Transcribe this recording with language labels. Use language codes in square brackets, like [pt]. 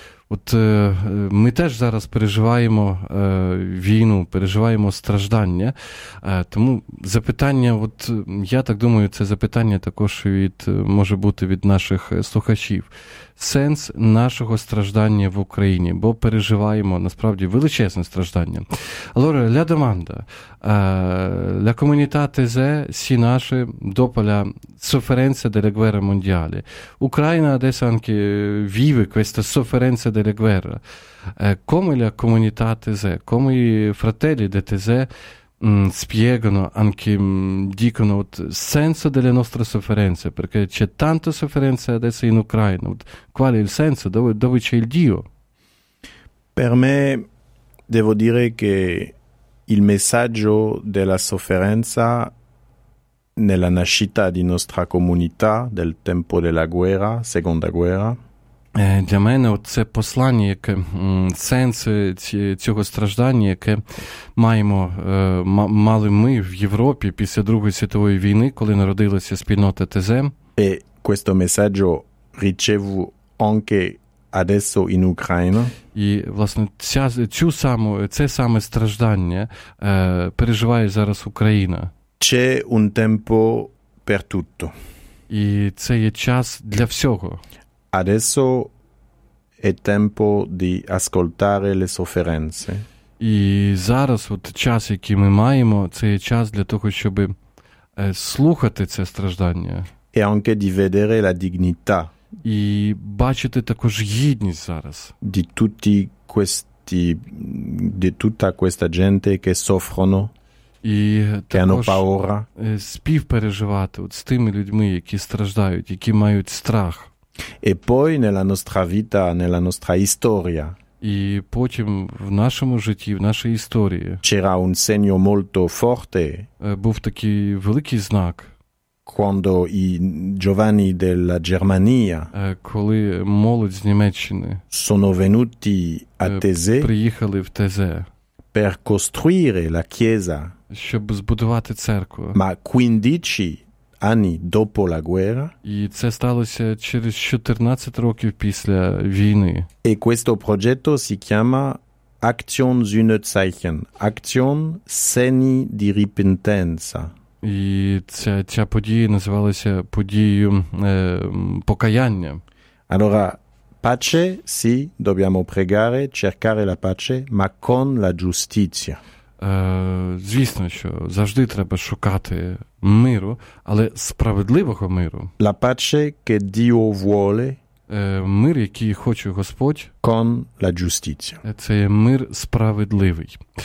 [uk] От ми теж зараз переживаємо війну, переживаємо страждання, тому запитання, от я так думаю, це запитання також може бути від наших слухачів. Сенс нашого страждання в Україні, бо переживаємо насправді величезне страждання. [it] Allora, la domanda, la comunità TZ si nasce dopo la sofferenza della guerra mondiale. Ucraina adesso anche vive questa sofferenza della guerra. Come la comunità TZ, come i fratelli di TZ spiegano, anche dicono il senso delle nostre sofferenze, perché c'è tanta sofferenza adesso in Ucraina. Qual è il senso? Dove c'è il Dio? Per me devo dire che il messaggio della sofferenza nella nascita di nostra comunità del tempo della guerra, seconda guerra. [uk] Для мене це послання, яке сенс цього страждання, яке маємо мали ми в Європі після Другої світової війни, коли народилася спільнота ТЗ. [it] E questo messaggio ricevo anche adesso in Ucraina. [uk] І власне це саме страждання переживає зараз Україна. [it] C'è un tempo per tutto. [uk] І це є час для всього. [it] Adesso è tempo di ascoltare le sofferenze. [uk] І зараз от час, який ми маємо, це є час для того, щоб слухати це страждання. [it] E anche di vedere la dignità. [uk] І бачити також гідність зараз. [it] Di tutti questi, di tutta questa gente che soffrono. [uk] І також спів переживати от з тими людьми, які страждають, які мають страх. [it] E poi nella nostra vita, nella nostra storia. [uk] І потім в нашому житті, в нашій історії. [it] C'era un segno molto forte. [uk] Був такий великий знак. [it] Quando i giovani della Germania. [uk] Коли молодь з Німеччини. [it] Sono venuti a Teze. [uk] Приїхали в Тезе. [it] Per costruire la chiesa. [uk] Щоб збудувати церкву. [it] Ma 15 anni dopo la guerra. [uk] І це сталося через 14 років після війни. [it] E questo progetto si chiama Aktion Sühnezeichen, Aktion Segni di Ripentenza. [uk] І ця подія називалася подією покаяння. [it] Allora, pace, sì, dobbiamo pregare, cercare la pace, ma con la giustizia. [uk] Звісно, що завжди треба шукати миру, але справедливого миру. [it] La pace che Dio vuole. [uk] Мир, який хоче Господь. [it] Con la giustizia. [uk] Це є мир справедливий.